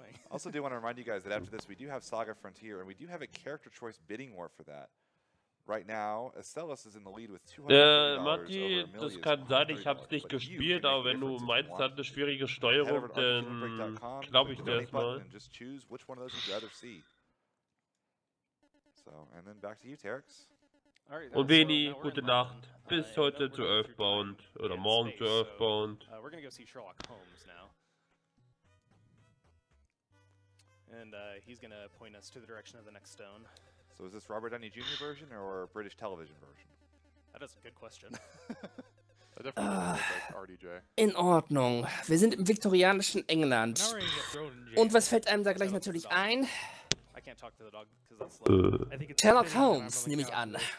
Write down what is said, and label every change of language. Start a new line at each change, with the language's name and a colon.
English: Also do want to remind you guys that after this we do have Saga Frontier and we do have a character choice bidding war for that. Right now, Estellas is in the lead with $200.
German: Marty, das kann sein, ich hab's nicht gespielt, aber wenn du meinst, hat eine schwierige Steuerung, dann glaube ich dir erstmal.
English: Just choose which one of those you'd rather see. So, and then back to you, Terex.
German: Und Veni, gute Nacht. Bis heute zu Earthbound oder morgen zu Earthbound.
English: We're going to go see Sherlock Holmes now. And he's gonna point us to the direction of the next stone. So is this Robert Downey Jr. version or British television version? That is a good question. I definitely like RDJ.
German: In Ordnung. Wir sind im viktorianischen England. Und was fällt einem da gleich natürlich ein?
English: I can't talk to the dog because that's like Sherlock Holmes,
German: nehme ich an.